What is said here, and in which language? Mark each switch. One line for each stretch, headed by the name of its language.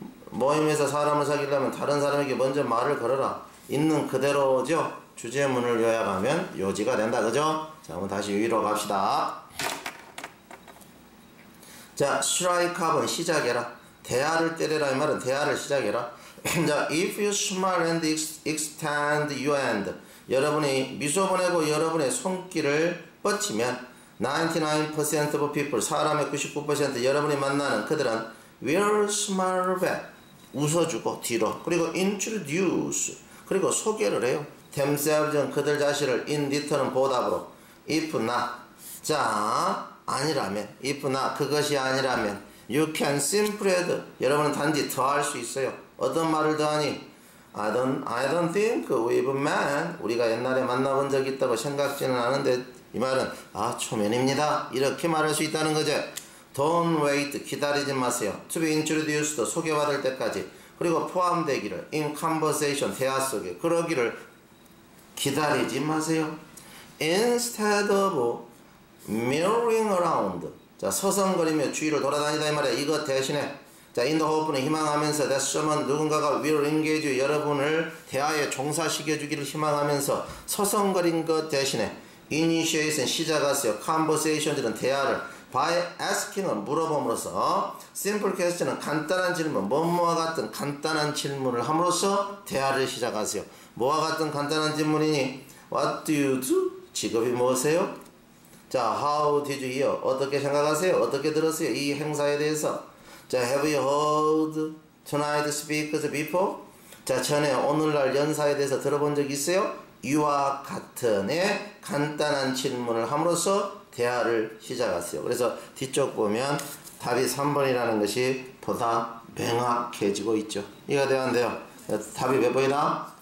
Korean: 모임에서 사람을 사귀려면 다른 사람에게 먼저 말을 걸어라. 있는 그대로죠. 주제문을 요약하면 요지가 된다. 그죠? 자, 한번 다시 위로 갑시다. 자,
English: strike up
Korean: 은 시작해라. 대화를 때려라. 이 말은 대화를 시작해라.
English: 자, if you smile and extend your hand.
Korean: 여러분이 미소 보내고 여러분의 손길을 뻗치면
English: 99% of people,
Korean: 사람의 99% 여러분이 만나는 그들은
English: will smile back.
Korean: 웃어주고 뒤로 그리고 introduce 그리고 소개를 해요.
English: themselves
Korean: 는 그들 자신을
English: in return
Korean: 은 보답으로
English: if not
Korean: 자 아니라면
English: if not
Korean: 그것이 아니라면
English: you can simply add
Korean: 여러분은 단지 더할 수 있어요. 어떤 말을 더하니
English: I don't think we've met
Korean: 우리가 옛날에 만나본 적이 있다고 생각지는 않은데 이 말은 아 초면입니다 이렇게 말할 수 있다는 거죠.
English: Don't wait.
Korean: 기다리지 마세요.
English: To be introduced.
Korean: 소개받을 때까지. 그리고 포함되기를.
English: In conversation.
Korean: 대화 속에. 그러기를. 기다리지 마세요.
English: Instead of milling around.
Korean: 자, 서성거리며 주위를 돌아다니다. 이 말이야. 이거 대신에. 자,
English: in the hope
Korean: 는 희망하면서.
English: That someone
Korean: 누군가가
English: will engage
Korean: 여러분을 대화에 종사시켜주기를 희망하면서. 서성거린 것 대신에.
English: Initiation.
Korean: 시작하세요. Conversation들은 대화를.
English: By asking
Korean: 은 물어봄으로써
English: simple question
Korean: 은 간단한 질문 뭐와 같은 간단한 질문을 함으로써 대화를 시작하세요. 뭐와 같은 간단한 질문이니
English: What do you do?
Korean: 직업이 무엇이에요? 자,
English: How did you hear?
Korean: 어떻게 생각하세요? 어떻게 들었어요? 이 행사에 대해서 자,
English: Have you heard tonight speakers before?
Korean: 자, 전에 오늘날 연사에 대해서 들어본 적 있어요? 이와 같은 간단한 질문을 함으로써 대화를 시작하세요. 그래서 뒤쪽 보면 답이 3번이라는 것이 보다 명확해지고 있죠. 이가 되었는데요. 답이 몇 번이다?